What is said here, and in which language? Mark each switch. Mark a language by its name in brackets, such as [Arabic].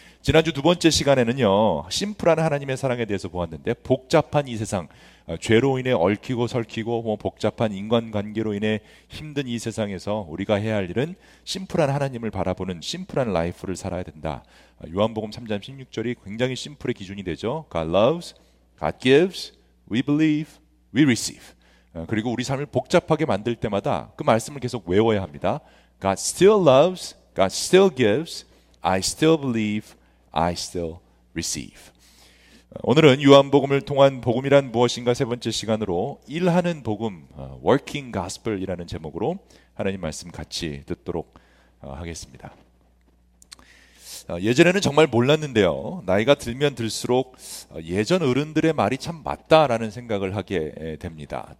[Korean] 지난주 두 번째 시간에는요, 심플한 하나님의 사랑에 대해서 보았는데, 복잡한 이 세상, 죄로 인해 얽히고 설키고 뭐 복잡한 인간관계로 인해 힘든 이 세상에서 우리가 해야 할 일은 심플한 하나님을 바라보는 심플한 라이프를 살아야 된다. 요한복음 3장 16절이 굉장히 심플의 기준이 되죠. [English] God loves, God gives, we believe, we receive. [Korean] 그리고 우리 삶을 복잡하게 만들 때마다 그 말씀을 계속 외워야 합니다. [English] God still loves, God still gives, I still believe, I still receive. [Korean] 오늘은 요한복음을 통한 복음이란 무엇인가 세 번째 시간으로 일하는 복음, Working Gospel이라는 제목으로 하나님 말씀 같이 듣도록 하겠습니다. 예전에는 정말 몰랐는데요. 나이가 들면 들수록 예전 어른들의 말이 참 맞다라는 생각을 하게 됩니다.